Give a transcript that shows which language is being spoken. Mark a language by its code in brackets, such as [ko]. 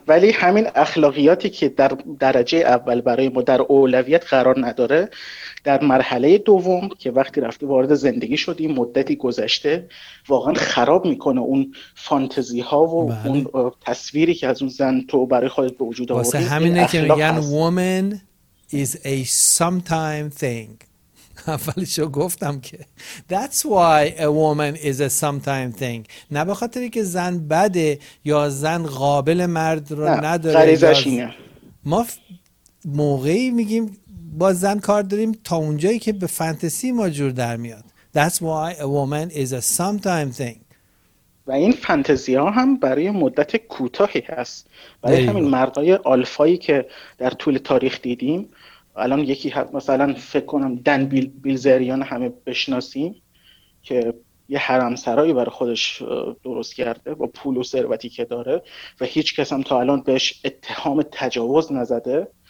[fa] ولی همین اخلاقیاتی که در درجه اول برای ما در اولویت قرار نداره، در مرحله دوم که وقتی رفته وارد زندگی شدیم، مدتی گذشته، واقعا خراب میکنه اون فانتزی ها و بله. اون تصویری که از اون زن تو برای خودت به وجود آوردی. واسه همینه که میگن [en] woman is a sometime thing. [fa] اولشو گفتم که [en] that's why a woman is a sometime thing. [fa] نه به خاطر که زن بده یا زن قابل مرد رو نداره. غریزش اینه. ما موقعی میگیم با زن کار داریم تا اونجایی که به فانتزی ما جور در میاد. [en] That's why a woman is a sometime thing. [fa] و این فانتزی ها هم برای مدت کوتاهی هست. برای همین مردای آلفایی که در طول تاریخ دیدیم، الان یکی مثلا فکر کنم دن بیلزریان همه بشناسیم که یه حرمسرایی برای خودش درست کرده با پول و ثروتی که داره و هیچ کس هم تا الان بهش اتهام تجاوز نزده.